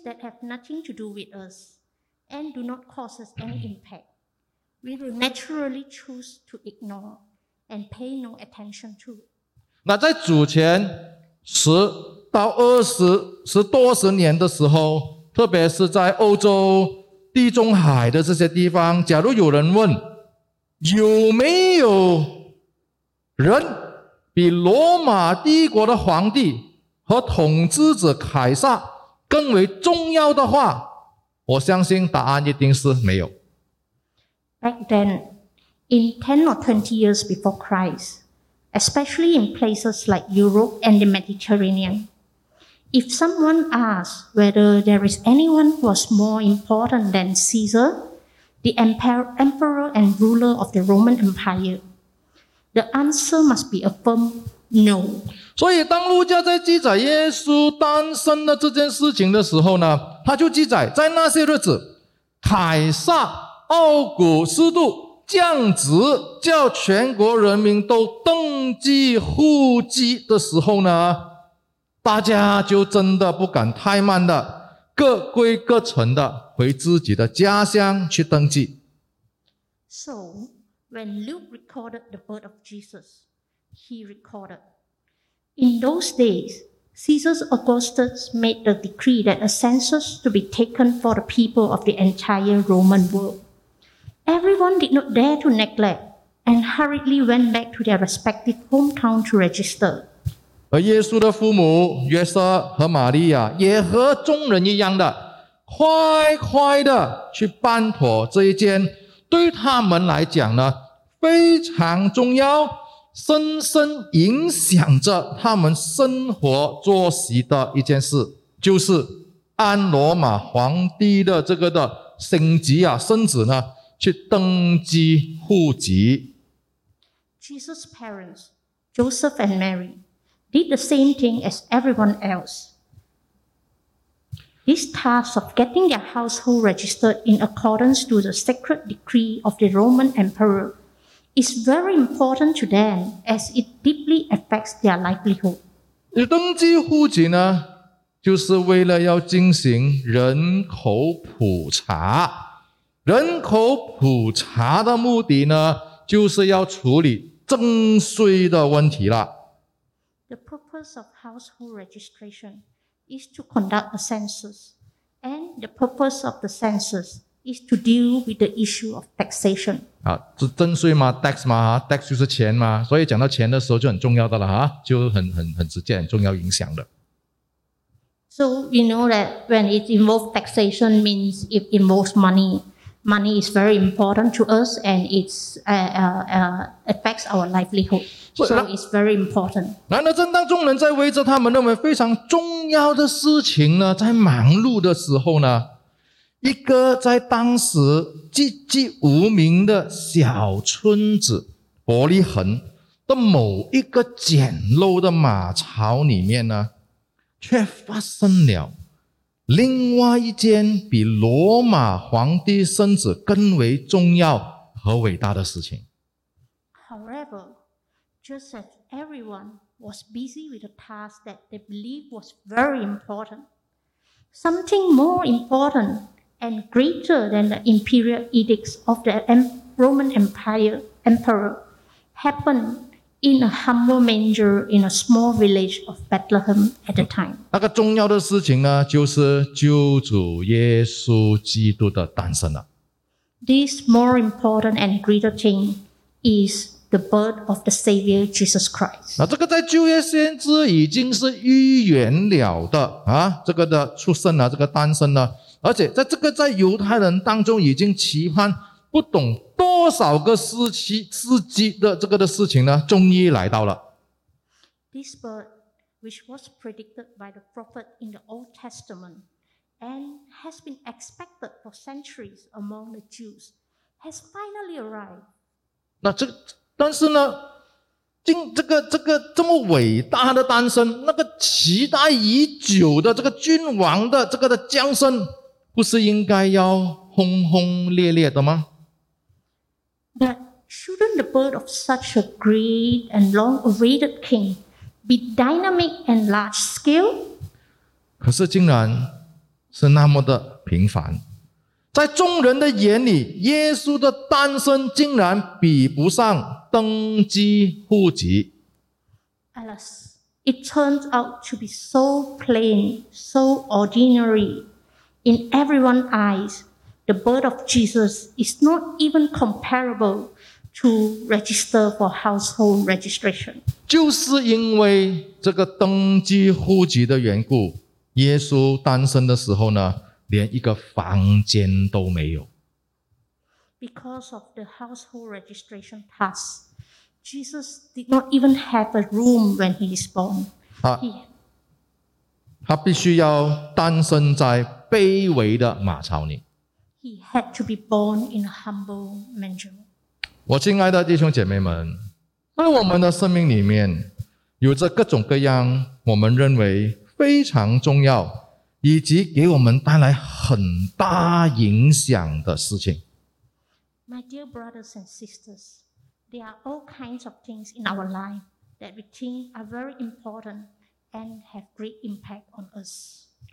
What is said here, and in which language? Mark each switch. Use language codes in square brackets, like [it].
[en] that have nothing to do with us and do not cause us any impact, we will naturally choose to ignore and pay no attention to. [zh] 那在主前十到二十多十年的时候，特别是在欧洲。地中海的这些地方，假如有人问，有没有人比罗马帝国的皇帝和统治者凯撒更为重要的话，我相信答案一定是没有。 [en] Back then, in 10 or 20 years before Christ, especially in places like Europe and the Mediterranean, if someone asks whether there is anyone who was more important than Caesar, the emperor and ruler of the Roman Empire, the answer must be affirmed no. [zh] 所以当路加在记载耶稣诞生的这件事情的时候呢，他就记载在那些日子，凯撒奥古斯都降旨叫全国人民都登记户籍的时候呢，大家就真的不敢怠慢的，各归各城的回自己的家乡去登记。 [en] So, when Luke recorded the birth of Jesus, he recorded, in those days, Caesar Augustus made the decree that a census to be taken for the people of the entire Roman world. Everyone did not dare to neglect and hurriedly went back to their respective hometown to register. [zh] 而耶稣的父母约瑟和玛利亚也和众人一样的，快快的去办妥这一件对他们来讲呢非常重要，深深影响着他们生活作息的一件事，就是按罗马皇帝的这个的升级啊，升职呢去登记户籍。 [en] Jesus' parents, Joseph and Mary, did the same thing as everyone else. This task of getting their household registered in accordance to the sacred decree of the Roman Emperor is very important to them as it deeply affects their livelihood. [zh] 你登记户籍呢，就是为了要进行人口普查。人口普查的目的呢，就是要处理征税的问题了。 [en] The purpose of household registration is to conduct a census, and the purpose of the census is to deal with the issue of taxation. [zh] 啊，是征税吗 ？Tax 吗 ？Tax 就是钱吗？所以讲到钱的时候就很重要的了哈，就很直接、很重要影响的。 [en] So we know that when it involves taxation, means it involves money. Money is very important to us, and it's affects our livelihood. So it's very important. [zh] 难道正当众人在围着他们认为非常重要的事情呢，在忙碌的时候呢？一个在当时寂寂无名的小村子伯利恒的某一个简陋的马槽里面呢，却发生了另外一件比罗马皇帝升职更为重要和伟大的事情。 [en] However, just as everyone was busy with a task that they believed was very important, something more important and greater than the imperial edicts of the Roman Empire emperor happened in a humble manger in a small village of Bethlehem at the time. [zh] 那个重要的事情呢，就是救主耶稣基督的诞生了。 [en] This more important and greater thing is the birth of the Savior Jesus Christ. [zh] 那这个在旧约先知已经是预言了的啊，这个的出生啊，这个诞生呢。而且在这个在犹太人当中已经期盼不懂多少个世纪的这个的事情呢，终于来到了。 [en] This birth, which was predicted by the prophet in the Old Testament and has been expected for centuries among the Jews, has finally arrived. [zh] 那这但是呢，这个这么伟大的诞生，那个期待已久的这个君王的这个的降生，不是应该要轰轰烈烈的吗？ [en] But shouldn't the birth of such a great and long-awaited king be dynamic and large-scale? [zh] 可是竟然是那么的平凡，在众人的眼里，耶稣的诞生竟然比不上登基户籍。 [en] Alas, it turns out to be so plain, so ordinary. In everyone's eyes, the birth of Jesus is not even comparable to register for household registration. [zh] 就是因为这个登记户籍的缘故，耶稣诞生的时候呢，连一个房间都没有。 [en] Because of the household registration pass, Jesus did not even have a room when he is born. [zh] 他必须要诞生在卑微的马槽里。 [en] He had to be born in a humble manger. [zh] 我亲爱的弟兄姐妹们，在我们的生命里面，有着各种各样我们认为非常重要，以及给我们带来很大影响的事情。 [en] My dear brothers and sisters, there are all kinds of things in our life that we think are very important and have great impact on us.